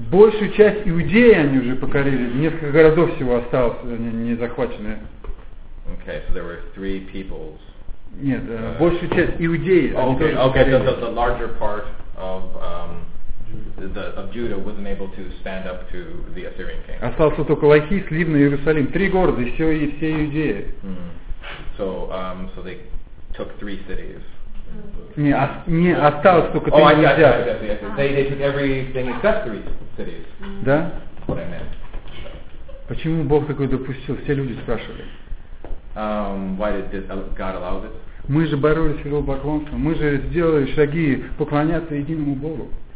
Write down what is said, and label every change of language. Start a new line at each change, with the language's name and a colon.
Russian: Большую часть Иудеи они уже покорили. Несколько городов всего осталось не захваченные.
English: Okay, so there were three peoples.
Russian: Нет, большую часть Иудеи.
English: The larger part of of Judah wasn't able to stand up to the Assyrian king.
Russian: Остался только Лахис, Ливна и Иерусалим. Три города, все Иудеи.
English: So they took three cities.
Russian: Не, осталось только три города.
English: They took everything except three cities.
Russian: Да?
English: What I meant.
Russian: Почему Бог такой допустил? Все люди спрашивали.
English: Why did God allow this?
Russian: Мы же боролись с идолопоклонством. Мы же сделали шаги поклоняться единому Богу.